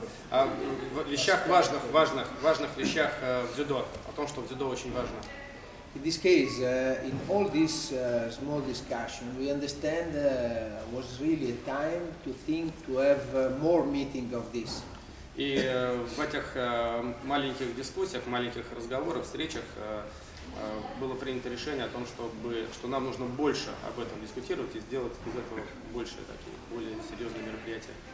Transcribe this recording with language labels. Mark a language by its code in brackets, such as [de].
[ru] О вещах важных вещах в дзюдо, о том, что в дзюдо очень важно. [en] In this case, in all this small discussion, we understand was really a time to think to have more meeting of this. [ru] И в этих маленьких дискуссиях, маленьких разговорах, встречах было принято решение о том, что нам нужно больше об этом дискутировать и сделать из этого больше такие более серьезные мероприятия.